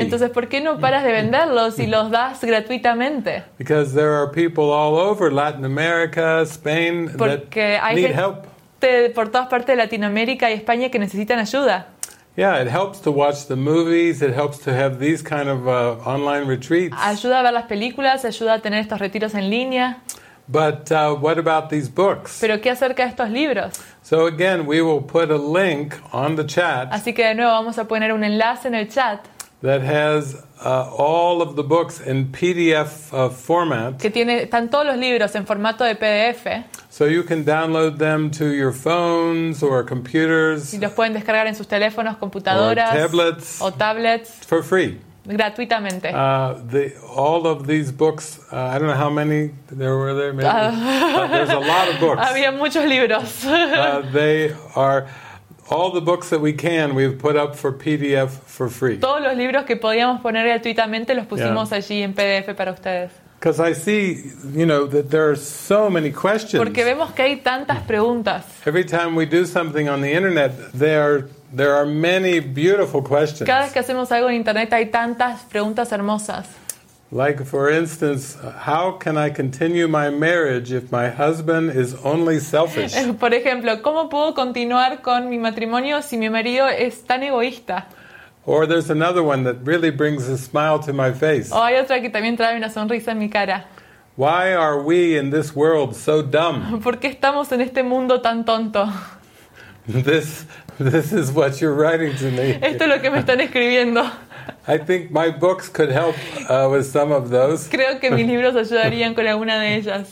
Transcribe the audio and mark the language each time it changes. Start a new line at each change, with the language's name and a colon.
Spanish: Entonces, ¿por qué no paras de venderlos y los das gratuitamente?
English: Because there are people all over Latin America, Spain
Spanish: Porque
English: that need help.
Spanish: Por todas partes de Latinoamérica y España que necesitan ayuda.
English: Yeah, it helps to watch the movies. It helps to have these kind of online retreats.
Spanish: Ayuda a ver las películas, ayuda a tener estos retiros en línea.
English: But what about these books?
Spanish: Pero ¿qué acerca de estos libros?
English: So again, we will put a link on the chat.
Spanish: Así que de nuevo vamos a poner un enlace en el chat.
English: That has all of the books in PDF format.
Spanish: Que tiene están todos los libros en formato de PDF.
English: So you can download them to your phones or computers.
Spanish: Y los pueden descargar en sus teléfonos, computadoras,
English: tablets for free.
Spanish: Gratuitamente.
English: All of these books, I don't know how many there were there, maybe, but there's a lot of books.
Spanish: Había muchos libros.
English: They are All the books that we can, we've put up for PDF for free.
Spanish: Todos los libros que podíamos poner gratuitamente los pusimos allí en PDF para ustedes.
English: Because I see, you know, that there are so many questions.
Spanish: Porque vemos que hay tantas preguntas.
English: Every time we do something on the internet, there are many beautiful questions.
Spanish: Cada vez que hacemos algo en internet hay tantas preguntas hermosas.
English: Like, for instance, how can I continue my marriage if my husband is only selfish?
Spanish: Por ejemplo, ¿cómo puedo continuar con mi matrimonio si mi marido es tan egoísta?
English: Or there's another one that really brings a smile to my face.
Spanish: O hay otra que también trae una sonrisa en mi cara.
English: Why are we in this world so dumb?
Spanish: ¿Por qué estamos en este mundo tan tonto?
English: This is what you're writing to me.
Spanish: Esto es lo que me están escribiendo.
English: I think my books could help with some of those.
Spanish: Creo que mis libros ayudarían con alguna de ellas.